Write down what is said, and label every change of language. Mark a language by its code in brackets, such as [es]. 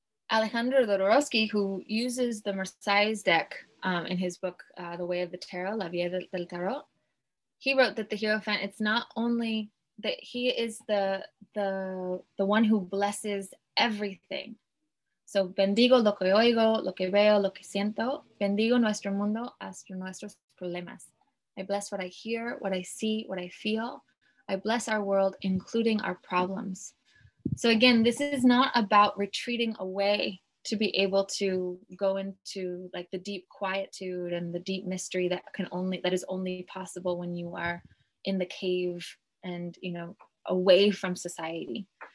[en] Alejandro Dodorowsky, who uses the Merseille's deck in his book, The Way of the Tarot, La Vie del Tarot, he wrote that the Hierophant, it's not only that he is the one who blesses everything. [es] So bendigo lo que oigo, lo que veo, lo que siento, bendigo nuestro mundo hasta nuestros problemas. [en] I bless what I hear, what I see, what I feel. I bless our world, including our problems. So again, this is not about retreating away to be able to go into like the deep quietude and the deep mystery that is only possible when you are in the cave and, away from society.